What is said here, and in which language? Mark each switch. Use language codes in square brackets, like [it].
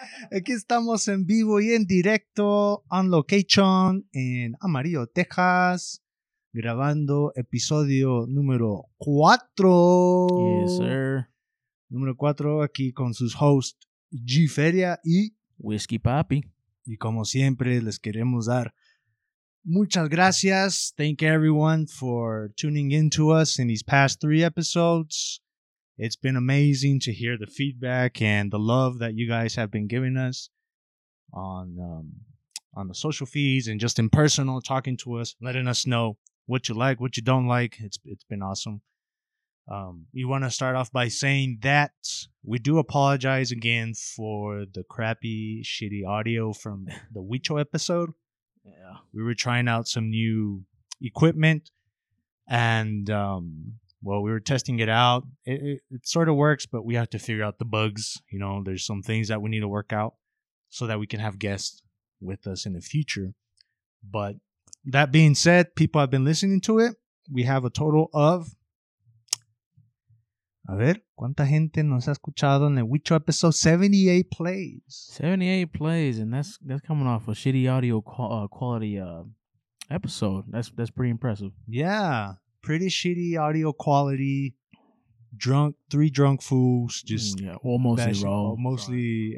[es] Aquí estamos en vivo y en directo, [en] on location, [es] en Amarillo, Texas, grabando episodio número 4. [en] Yes, sir. [es] Número 4, aquí con sus hosts, G Feria y [en] Whiskey Papi. [es] Y como siempre, les queremos dar muchas gracias. [en] Thank everyone for tuning in to us in these past 3 episodes. It's been amazing to hear the feedback and the love that you guys have been giving us on the social feeds and just in personal, talking to us, letting us know what you like, what you don't like. It's been awesome. We want to start off by saying that we do apologize again for the crappy, shitty audio from the Huicho episode. Yeah. We were trying out some new equipment and, we were testing it out. It sort of works, but we have to figure out the bugs. You know, there's some things that we need to work out so that we can have guests with us in the future. But that being said, people have been listening to it. We have a total of... [es] A ver, ¿cuánta gente nos ha escuchado en el Huicho episode? [en] 78 plays. 78 plays, and that's coming off a shitty audio quality episode. That's pretty impressive. Yeah, pretty shitty audio quality. Drunk, 3 drunk fools. Just mostly